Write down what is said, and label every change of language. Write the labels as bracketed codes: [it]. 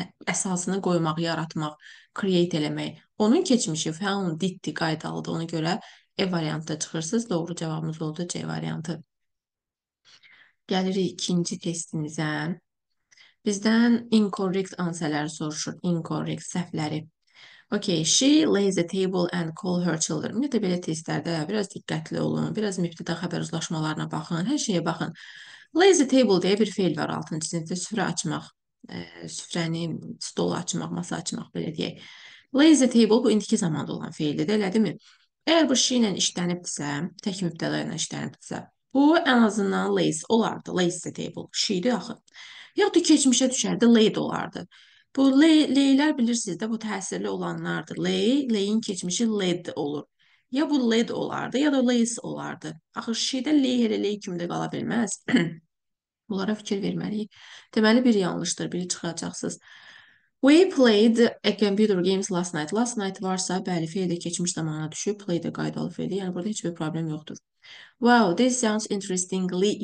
[az] Əsasını qoymaq, yaratmaq, create eləmək. Onun keçmişi found, ditdi, qaydalıdır. Ona görə E variantda çıxırsınız. Doğru cavabımız oldu C variantı. Gəlirik ikinci testimizə. Bizdən incorrect answer-ləri soruşur. Incorrect səhvləri. [en] Okay, she lays a table and call her children. [az] Ümumiyyətlə, belə testlərdə biraz diqqətli olun, biraz mübtəda xəbər uzlaşmalarına baxın, hər şeyə baxın. Lays a table deyə bir feil var 6-cı sinifdə, süfrə açmaq, süfrəni, stolu açmaq, masa açmaq, belə deyək. Lays a table bu indiki zamanda olan feildir, elədimi? Əgər bu she ilə işlənibdirsə, tək mübtəda ilə işlənibdirsə, bu ən azından lays olardı, lays a table, she idi axı. Yaxud da keçmişə düşərdi, laid olardı. Bu lay-lay-lər bilirsiniz də, bu təsirli olanlardır. Lay, lay-in keçmişi led olur. Ya bu led olardı, ya da lays olardı. Axı, şeydə lay-lay-lay kimi də qala bilməz. Bunlara fikir verməliyik. Deməli, biri yanlışdır, biri çıxacaqsınız. [en] We played a computer games last night. [az] Last night varsa, bəli, feil də keçmiş zamana düşüb, play də qaydalı feildir. Yəni, burada heç bir problem yoxdur. [en] Wow, this sounds interestingly.